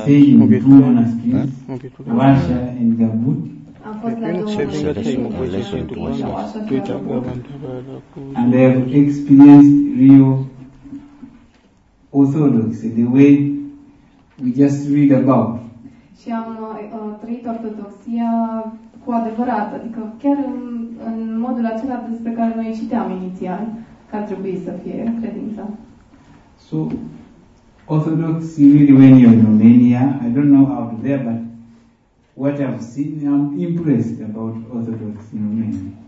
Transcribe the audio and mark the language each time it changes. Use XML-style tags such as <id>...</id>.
<en>I would say in Russia and Gabut. And I have experienced real orthodoxy, the way we just read about.</en> <ro>Și am trăit ortodoxia cu adevărat, adică chiar în modul acela despre care noi citeam inițial, că ar trebui să fie credința.</ro> <en>So, orthodoxy really when you're in Romania, I don't know out there, but what I've seen, I'm impressed about orthodoxy in Romania.</en>